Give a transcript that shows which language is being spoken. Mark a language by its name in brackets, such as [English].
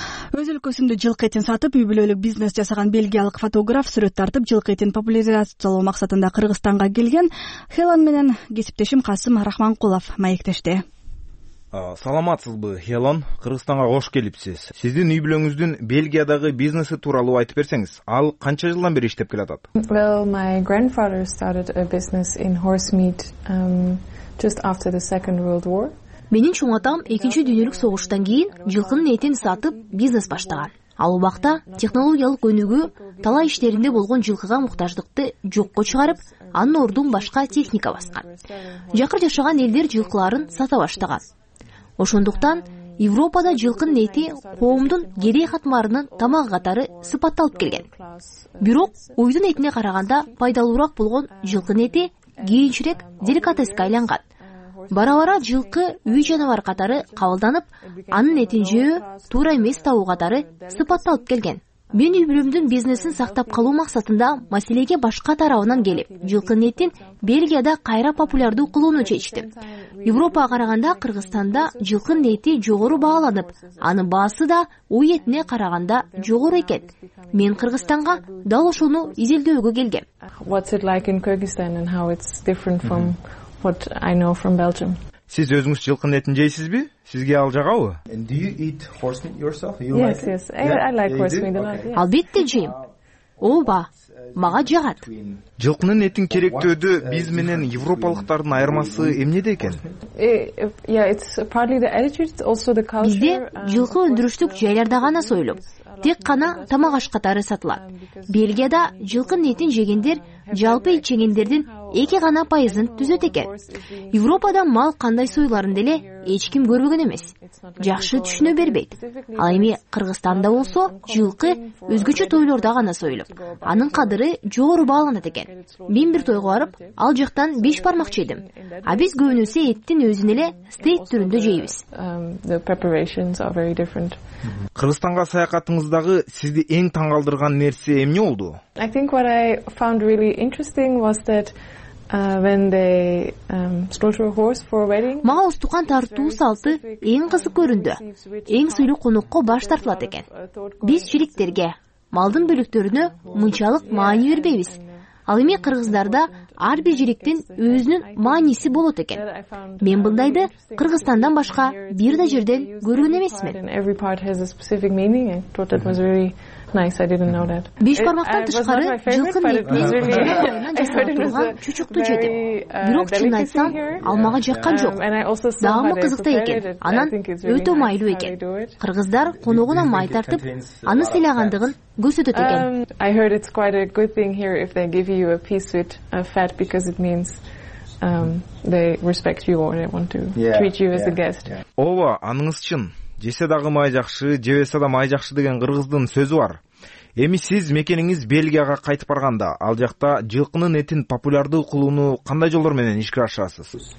[Kyrgyz] Өз өлкөсүндө жылкы этин сатып, үй бүлөлүк бизнес жасаган бельгиялык фотограф сүрөт тартып жылкы этин популяризациялоо максатында Кыргызстанга келген. Хелан менен кесиптешим Касым Рахманкулов маектеште. Саламатсызбы, Хелан, Кыргызстанга кош келипсиз. Сиздин үй бүлөңүздүн Бельгиядагы бизнеси тууралуу айтып берсеңиз, ал канча жылдан бери иштеп келатат? [English] Well, my grandfather started a business in horse meat just after the Second World War. [Kyrgyz] Менин чоң атам 2-нчү дүйнөлүк согуштан кийин жылкынын этин сатып бизнес баштаган. Ал убакта технологиялык өнүгүү талаа иштеринде болгон жылкыга муктаждыкты жокко чыгарып, анын ордун башка техника баскан. Жакыр жашаган элдер жылкыларын сата баштаган. Ошондуктан Европада жылкынын эти коомдун керек катмарынын тамагы катары сыпатталып келген. Бирок уйдун этине караганда пайдалуураак болгон жылкынын эти кийинчерээк деликатеске айланган. Бара-бара жылкы үй жаныбар катары кабылданып, анын этин жөө туура эмес табуу катары сыпатталып келген. Мен үй бүлөмдүн бизнесин сактап калуу максатында маселеге башка тарабынан келип, жылкынын этин Бельгияда кайра популярдуу кылууну чечтим. Европага караганда Кыргызстанда жылкынын эти жогору бааланып, анын баасы да уй этине караганда жогору экен. Мен Кыргызстанга дал ошону изилдөөгө келгем. [English] What's it like in Kyrgyzstan and how it's different from what I know from Belgium. [Kyrgyz] Сиз өзүңүз жылкынын этин жейсизби? Сизге ал жагабы? [English] Do you eat horse meat yourself? You like it? Yes, I like horse meat. [Kyrgyz] Албетте жейм. Ооба, мага жагат. Жылкынын этин керектөөдө биз менен европалыктардын айырмасы эмнеде экен? [English] It's partly the attitude, it's also the culture. [Kyrgyz] Бизде жылкы өндүрүштүк жайларда гана сойлоп, тек гана тамак аш катары сатылат. Бельгияда жылкынын этин жегендер жалпы ичегендердин 2% түзөт экен. Европада мал кандай сойларын деле эч ким көрбөгөн эмес. Жакшы түшүнө бербейт. Ал эми Кыргызстанда болсо, жылкы өзгөчө тойлордо гана сойлоп, анын кадыры жогору бааланат экен. Мен бир тойго барып, ал жактан 5 бармак жедим. А биз көбүнөсө эттин өзүн эле стейк түрүндө жейбиз. Кыргызстанга саякатыңыздагы сизди эң таң калдырган нерсе эмне болду? [English] I think what I found really interesting was that when they slaughter a horse for a wedding. [Kyrgyz] Мага устукан тартуу салты эң кызык көрүндү. Эң сыйлуу конокко баш тартылат экен. Биз чириктерге, малдын бөлүктөрүнө мынчалык маани бербейбиз. Ал эми кыргыздарда ар бир жириктин өзүнүн мааниси болот экен. Мен мындайды Кыргызстандан башка бир да жерден көргөн эмесмин. [English] Every part has a specific meaning. I thought that was really nice. I didn't know that. [Kyrgyz] Биш бармактан тышкары жылкы мейкнесинен жасалган чүчүктү жедим. Бирок чын айтсам, алмага жаккан жок. Даамы кызыкта экен. Анан өтө майлуу экен. Кыргыздар коногуна май тартып, аны сыйлагандыгын көрсөтөт экен. [English] I heard it's quite a good thing here if they give you a piece with a fat because it means they respect you or they want to treat you as a guest. [Kyrgyz] Ова, аныңыз чын. Жесе дагы май жакшы, жебесе да май жакшы деген кыргыздын сөзү бар. Эми сиз мекениңиз Бельгияга кайтып барганда, ал жакта жылкынын этин популярдуу кылууну кандай жолдор менен ишке ашырасыз?